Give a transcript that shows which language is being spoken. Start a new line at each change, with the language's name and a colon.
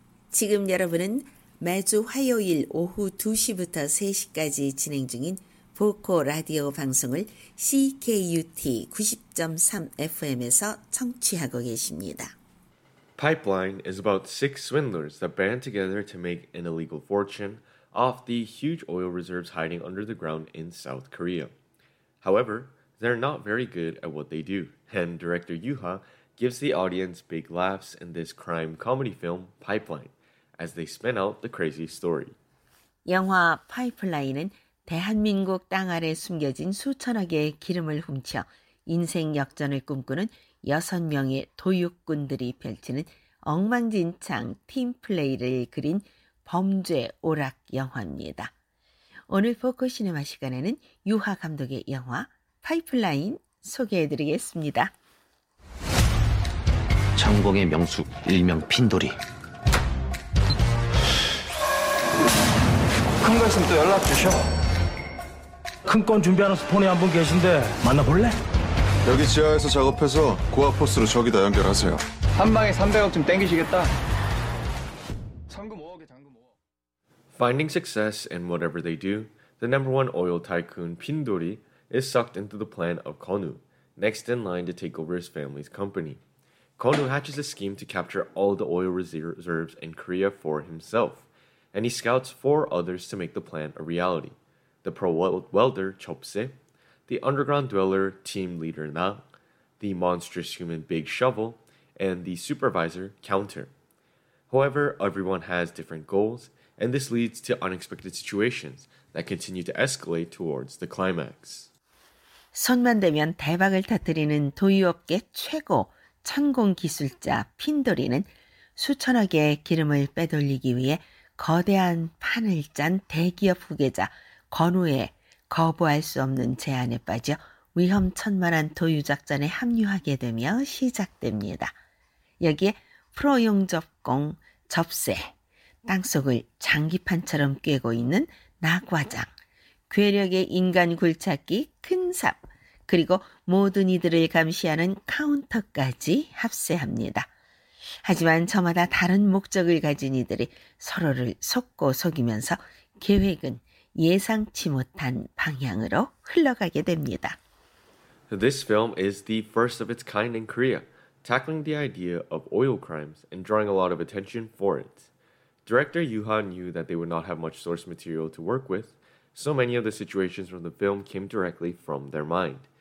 Korean: 지금 여러분은 매주 화요일 오후 2시부터 3시까지 진행 중인 보코 라디오 방송을 CKUT 90.3 FM에서 청취하고 계십니다.
English: Pipeline is about six swindlers that band together to make an illegal fortune off the huge oil reserves hiding under the ground in South Korea. However, they're not very good at what they do, and director Yuha gives the audience big laughs in this crime comedy film, Pipeline, as they spin out the crazy story.
Korean: 영화 파이프라인은 대한민국 땅 아래 숨겨진 수천억의 기름을 훔쳐 인생 역전을 꿈꾸는 여섯 명의 도육꾼들이 펼치는 엉망진창 팀플레이를 그린 범죄 오락 영화입니다. 오늘 포커 시네마 시간에는 유하 감독의 영화 파이프라인 소개해드리겠습니다. 창공의 명수 일명 핀돌이. 큰 거 있으면 또 연락 주셔. 큰 건 준비하는 스폰이 한 분 계신데 만나볼래? 여기 지하에서 작업해서 고압 포스로 저기다 연결하세요. 한 방에 300억쯤 땡기시겠다.
English: Finding success in whatever they do, the number one oil tycoon, Pin Dori, is sucked into the plan of Konu, next in line to take over his family's company. Konu hatches a scheme to capture all the oil reserves in Korea for himself, and he scouts four others to make the plan a reality. The pro welder, Chopse, the underground dweller, team leader, Na, the monstrous human, Big Shovel, and the supervisor, Counter. However, everyone has different goals, and this leads to unexpected situations that continue to escalate towards the climax.
Korean: 손만 대면 대박을 터뜨리는 도유업계 최고 천공 기술자 핀돌이는 수천억의 기름을 빼돌리기 위해 거대한 판을 짠 대기업 후계자 건우의 거부할 수 없는 제안에 빠져 위험천만한 도유 작전에 합류하게 되며 시작됩니다. 여기에 프로 용접공 접세 땅속을 장기판처럼 꿰고 있는 낙과장, 괴력의 인간 굴착기 큰삽, 그리고 모든 이들을 감시하는 카운터까지 합세합니다. 하지만 저마다 다른 목적을 가진 이들이 서로를 속고 속이면서 계획은 예상치 못한 방향으로 흘러가게 됩니다.
English: This film is the first of its kind in Korea, tackling the idea of oil crimes and drawing a lot of attention for it. Director Yuha knew that they would not have much source material to work with, so many of the situations from the film came directly from their mind.